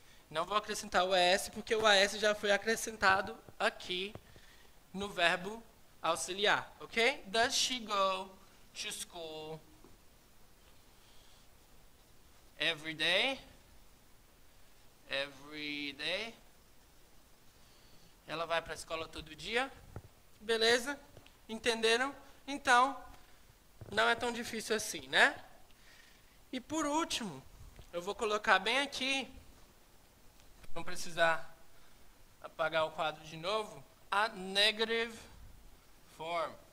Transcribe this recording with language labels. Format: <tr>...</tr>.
<pt>Não vou acrescentar o AS, porque o AS já foi acrescentado aqui no verbo auxiliar, ok?</pt> <en>Does she go to school every day? Every day?</en> <pt>Ela vai para a escola todo dia? Beleza? Entenderam? Então, não é tão difícil assim, né? E por último, eu vou colocar bem aqui, não precisar apagar o quadro de novo, a negative form.</pt>